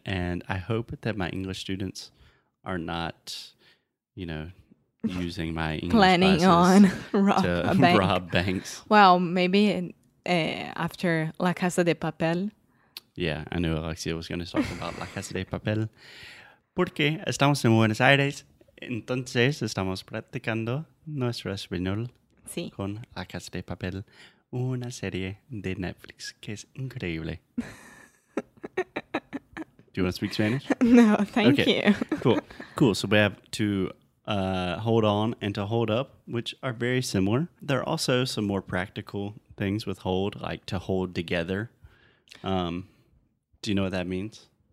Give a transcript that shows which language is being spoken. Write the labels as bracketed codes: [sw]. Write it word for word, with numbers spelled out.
[en] And I hope that my English students are not, you know, using my English Planning classes on rob to a bank. rob banks. Well, maybe uh, after La Casa de Papel. Yeah, I knew Alexia was going to talk about La Casa de Papel. [es] Porque estamos en Buenos Aires, entonces estamos practicando nuestro español Sí. con La Casa de Papel, una serie de Netflix que es increíble. [en] Do you want to speak Spanish? No, thank Okay. you. Cool. Cool. So we have to uh, hold on and to hold up, which are very similar. There are also some more practical things with hold, like to hold together. Um, do you know what that means?